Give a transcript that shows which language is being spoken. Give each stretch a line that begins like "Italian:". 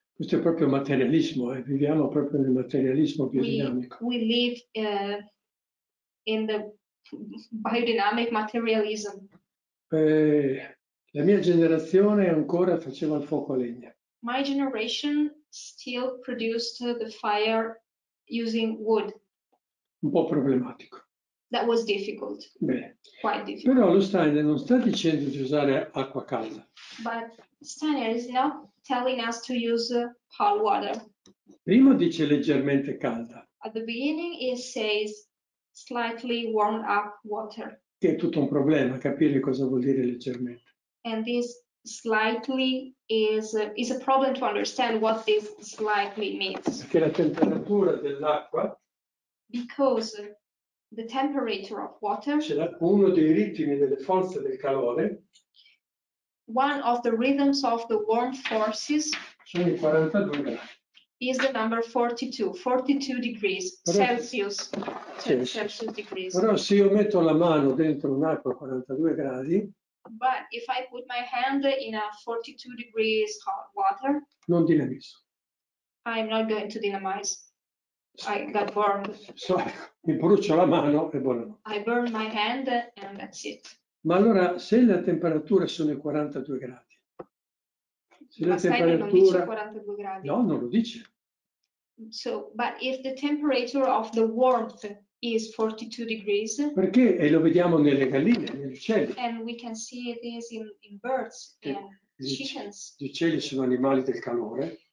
Italian: Questo è proprio materialismo, viviamo proprio nel materialismo biodinamico.
English: We live in the biodynamic materialism.
Italian: La mia generazione ancora faceva il fuoco a legna.
English: My generation still produced the fire using wood.
Italian: Un po' problematico.
English: That was difficult.
Italian: Bene.
English: Quite difficult.
Italian: Però lo Steiner non sta dicendo di usare acqua calda.
English: But Steiner is not telling us to use hot water.
Italian: Prima dice leggermente calda.
English: At the beginning it says slightly warmed up water.
Italian: Che è tutto un problema capire cosa vuol dire leggermente.
English: And this slightly is a problem to understand what this slightly means.
Italian: Perché la temperatura dell'acqua.
English: Because the temperature of water.
Italian: C'era uno dei ritmi delle forze del calore.
English: One of the rhythms of the warm forces.
Italian: Sono i 42 gradi.
English: Is the number 42 degrees Celsius, Celsius degrees.
Italian: Però se io metto la mano dentro un'acqua a 42 gradi.
English: But if I put my hand in a 42 degrees hot water.
Italian: Non dinamizzo.
English: I'm not going to dynamize. I got burned. So,
Italian: mi brucio la mano e buono.
English: I burn my hand and that's it.
Italian: Ma allora se la temperatura sono i 42 gradi. Se la temperatura... non dice 42 gradi. No, non lo dice.
English: So, but if the temperature of the warmth is 42 degrees.
Italian: Perché? E lo vediamo nelle galline, negli uccelli.
English: And we can see this in birds and chickens.
Italian: Gli uccelli sono animali del calore.